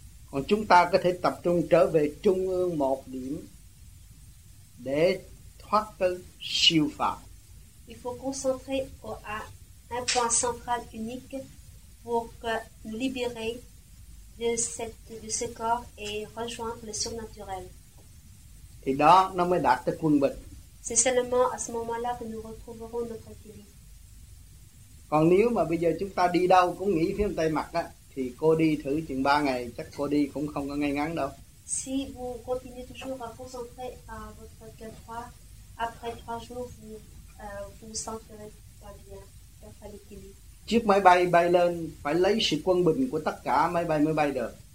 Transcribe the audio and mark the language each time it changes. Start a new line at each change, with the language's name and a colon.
Vietnamese: Còn chúng ta có thể tập trung trở về trung ương một điểm để thoát tới siêu phàm.
French: Il faut concentrer à un point central unique pour nous libérer de ce corps et rejoindre le surnaturel.
Vietnamese: Thì đó nó mới đạt tới quân bình.
French: C'est seulement à ce moment-là que nous retrouverons notre équilibre.
Vietnamese: Còn nếu mà bây giờ chúng ta đi đâu cũng nghĩ phía bên tay mặt á, thì cô đi thử chừng 3 ngày chắc cô đi cũng không có ngay ngắn đâu.
French: Si vous continuez toujours à vous concentrer à votre cœur droit, après 3 jours vous sentirez pas bien, pas l'équilibre.
Vietnamese: Chiếc máy bay bay lên phải lấy sự quân bình của tất cả máy bay mới bay được.